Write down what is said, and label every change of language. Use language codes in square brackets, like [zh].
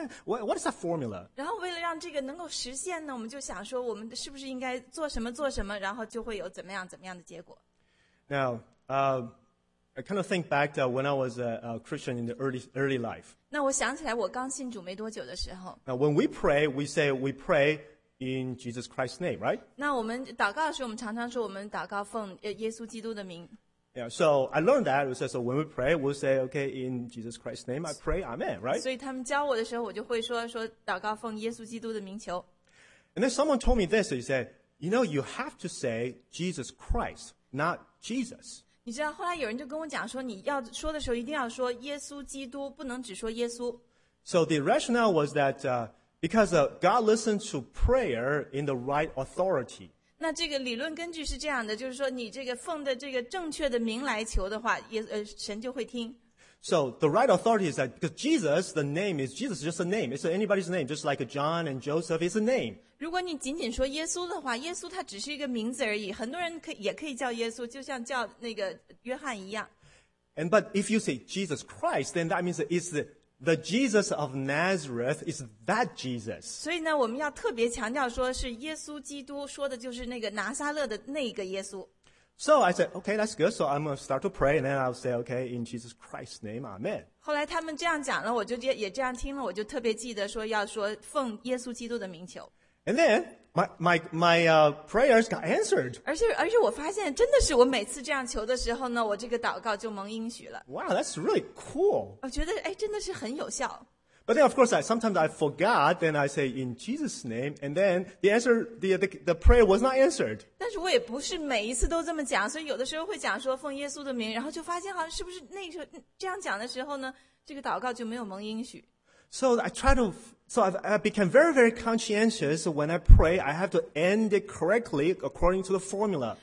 [en] What is that formula? [zh] 然后为了让这个能够实现呢，我们就想说，我们是不是应该做什么做什么，然后就会有怎么样怎么样的结果。 [en] Now, I kind of think back to when I was a Christian in the early life. [zh] 那我想起来我刚信主没多久的时候。 [en] Now, when we pray, we say we pray in Jesus Christ's name, right? [zh] 那我们祷告的时候，我们常常说我们祷告奉耶稣基督的名。 [en] Yeah, so I learned that. So when we pray, we'll say, okay, in Jesus Christ's name, I pray, amen, right? [zh] 所以他们教我的时候，我就会说祷告奉耶稣基督的名求。 [en] And then someone told me this. He said, you know, you have to say Jesus Christ, not Jesus. [zh] 你知道后来有人就跟我讲说，你要说的时候一定要说耶稣基督，不能只说耶稣。 [en] So the rationale was that because God listens to prayer in the right authority. [zh] 那这个理论根据是这样的，就是说你这个奉的这个正确的名来求的话，神就会听。 [en] So the right authority is that because Jesus, the name is Jesus, just a name. It's anybody's name, just like John and Joseph is a name. [zh] 如果你仅仅说耶稣的话，耶稣他只是一个名字而已。很多人也可以叫耶稣，就像叫那个约翰一样。 [en] And but if you say Jesus Christ, then that means it's the Jesus of Nazareth, is that Jesus. [zh] 所以呢，我们要特别强调说是耶稣基督，说的就是那个拿撒勒的那个耶稣。 [en] So I said, okay, that's good. So I'm going to start to pray, and then I'll say, okay, in Jesus Christ's name, amen. [zh] 后来他们这样讲了，我就也这样听了，我就特别记得说要说奉耶稣基督的名求。 [en] And then my prayers got answered. [zh] 而且我发现真的是我每次这样求的时候呢，我这个祷告就蒙应许了。 [en] Wow, that's really cool. [zh] 我觉得哎，真的是很有效。 [en] But then, of course, sometimes I forgot, then I say, in Jesus' name, and then the prayer was not answered. [zh] 但是我也不是每一次都这么讲，所以有的时候会讲说奉耶稣的名，然后就发现好像是不是那时候这样讲的时候呢，这个祷告就没有蒙应许。 [en] So I try to, so I became very, very conscientious when I pray, I have to end it correctly according to the formula.